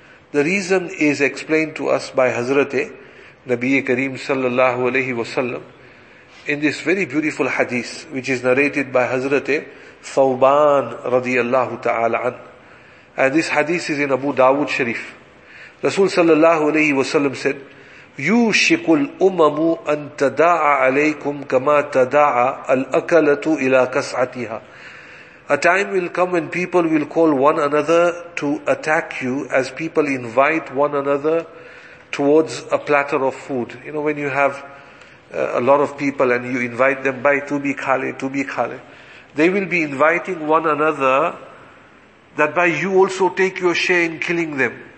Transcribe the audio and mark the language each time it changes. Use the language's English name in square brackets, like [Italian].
[English] The reason is explained to us by Hazrat Nabi Kareem sallallahu alayhi wa sallam in this very beautiful hadith, which is narrated by Hazrat Thawban radiyallahu ta'ala an. And this hadith is in Abu Dawood Sharif. Rasul sallallahu alayhi wa sallam said, [Arabic] يوشك الأمم أن تداعى عليكم كما تداعى الأكلة إلى كسعتها. [English] A time will come when people will call one another to attack you as people invite one another towards a platter of food. You know, when you have a lot of people and you invite them by tubi khale, they will be inviting one another that by you also take your share in killing them.